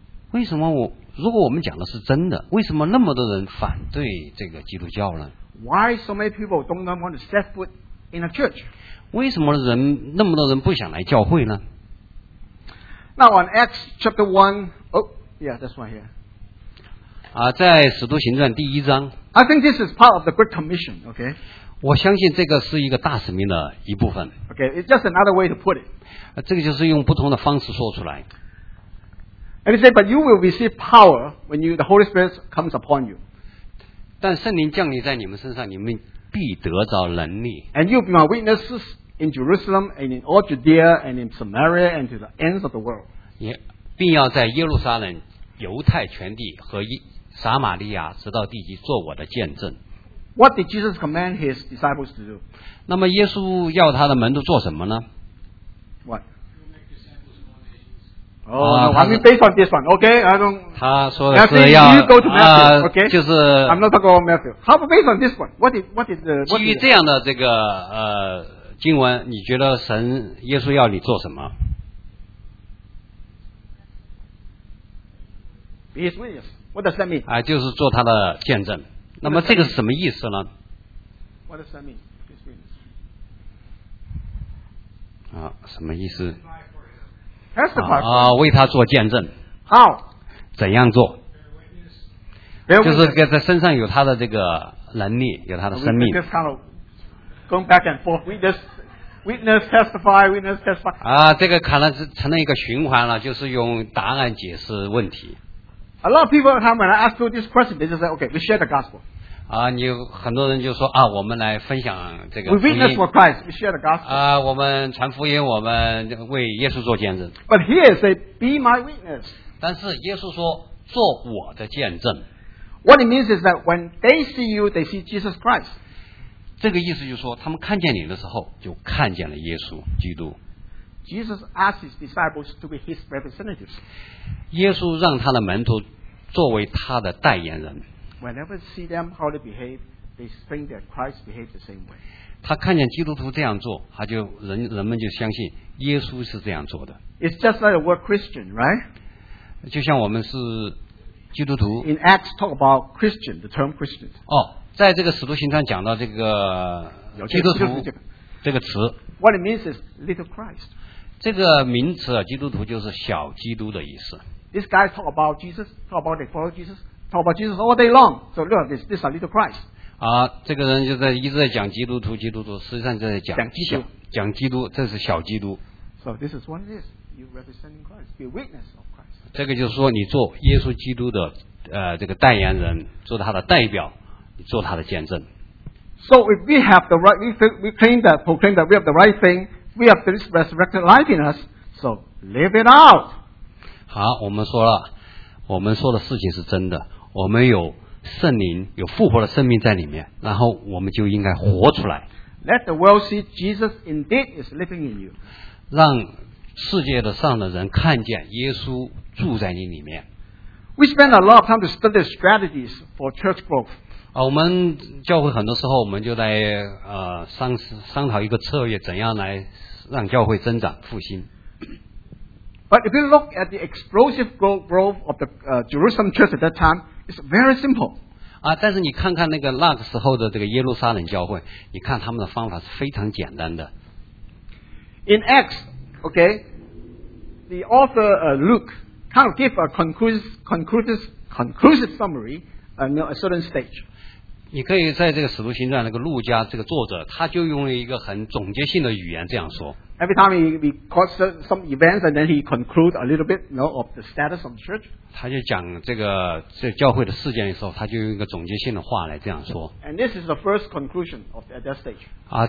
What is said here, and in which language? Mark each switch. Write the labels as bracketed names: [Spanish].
[Chinese] 为什么我如果我们讲的是真的，为什么那么多人反对这个基督教呢？ [English] Why so many people don't want to set foot in a church? [Chinese] 为什么人那么多人不想来教会呢？ [English] Now on Acts chapter 1, oh yeah, that's right here. [Chinese] 在《使徒行传》第一章 [English] I think this is part of the Great Commission, okay? [Chinese] 我相信这个是一个大使命的一部分 [English] Okay, it's just another way to put it. [Chinese] 这个就是用不同的方式说出来 [English] And he said, but you will receive power when you, the Holy Spirit comes upon you. [Chinese] 但圣灵降临在你们身上，你们必得着能力 [English] And you'll be my witnesses in Jerusalem and in all Judea and in Samaria and to the ends of the world. [Chinese] 并要在耶路撒冷犹太全地和撒玛利亚直到地极做我的见证。 [English] What did Jesus command his disciples to do? [Chinese] 那么耶稣要他的门徒做什么呢？ [English] What? Oh, no, I mean based on this one, okay? I don't. [Chinese] 他说的是要 [English] you go to Matthew, okay? [Chinese] 就是 [English] I'm not talking about Matthew. How about based on this one? What is [Chinese] 基于这样的这个经文，你觉得神耶稣要你做什么？ [English] Be his witness. What does that mean? [Chinese] 就是做他的见证。那么这个是什么意思呢？ [English] What does that mean? Be his witness. [Chinese] 什么意思？ [English] Testify. [Chinese] 为他做见证。 [English] How? [Chinese] 怎样做？ [English] Bear witness. [Chinese] 就是在身上有他的这个能力，有他的生命。 [English] Just kind of going back and forth. Witness, testify. [Chinese] 这个可能成了一个循环了，就是用答案解释问题。 [English] A lot of people come when I ask you this question, they just say, okay, we share the gospel. [Chinese] 你很多人就说我们来分享这个。 [English] We witness for Christ, we share the gospel. [Chinese] 我们传福音，我们为耶稣做见证。 [English] But here it says, be my witness. [Chinese] 但是耶稣说，做我的见证。 [English] What it means is that when they see you, they see Jesus Christ. [Chinese] 这个意思就是说，他们看见你的时候，就看见了耶稣基督。 [English] Jesus asked his disciples to be his representatives. [Chinese] 耶稣让他的门徒作为他的代言人。 [English] Whenever you see them how they behave, they think that Christ behaves the same way. [Chinese] 他看见基督徒这样做，他就人们就相信耶稣是这样做的。 [English] It's just like the word Christian, right? [Chinese] 就像我们是基督徒。 [English] In Acts, talk about Christian, the term Christian. [Chinese] 在这个使徒行传讲到这个基督徒这个词。 [English] What it means is little Christ. [Chinese] 这个名词基督徒就是小基督的意思。 [English] These guys talk about Jesus, talk about they follow Jesus, talk about Jesus all day long. So look at this, this is a little Christ. [Chinese] 这个人就在一直在讲基督徒，基督徒，实际上就在讲基督，这是小基督。 [English] So this is what it is. You representing Christ, be a witness of Christ. [Chinese] 这个就是说你做耶稣基督的这个代言人，做他的代表，做他的见证。 [English] So if we have the right, we claim that, proclaim that we have the right thing, we have this resurrected life in us, so live it out. [Chinese] 好，我们说了，我们说的事情是真的，我们有圣灵，有复活的生命在里面，然后我们就应该活出来。 [English] Let the world see Jesus indeed is living in you. [Chinese] 让世界的上的人看见耶稣住在你里面。 [English] We spend a lot of time to study strategies for church growth. [Chinese] 我们教会很多时候我们就在商讨一个策略，怎样来让教会增长复兴。 [English] But if you look at the explosive growth of the Jerusalem church at that time, it's very simple. [Chinese] 但是你看看那个那个时候的这个耶路撒冷教会，你看他们的方法是非常简单的。 [English] In Acts, okay, the author Luke kind of give a conclusive summary at a certain stage. [Chinese] 你可以在这个《使徒行传》那个路加这个作者，他就用了一个很总结性的语言这样说。 [English] Every time he calls some events and then he conclude a little bit, you know, of the status of the church. [Chinese] 他就讲这个教会的事件的时候，他就用一个总结性的话来这样说。 [English] And this is the first conclusion of at that stage.